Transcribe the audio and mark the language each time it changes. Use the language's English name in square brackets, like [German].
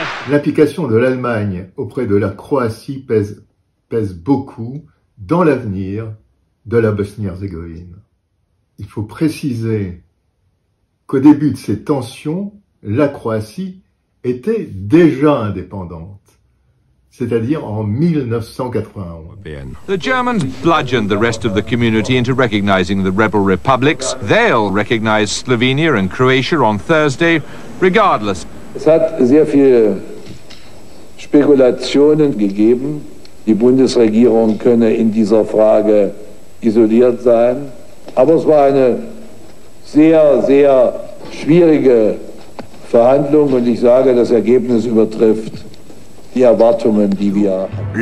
[French] L'implication de l'Allemagne auprès de la Croatie pèse beaucoup dans l'avenir de la Bosnie-Herzégovine. Il faut préciser qu'au début de ces tensions, la Croatie était déjà indépendante, c'est-à-dire en 1991. [English] The Germans bludgeoned the rest of the community into recognizing the rebel republics. They'll recognize Slovenia and Croatia on Thursday, regardless. [German] Es hat sehr viele Spekulationen gegeben, die Bundesregierung könne in dieser Frage isoliert sein. Aber es war eine sehr, sehr schwierige Verhandlung und ich sage, das Ergebnis übertrifft die Erwartungen, die wir haben.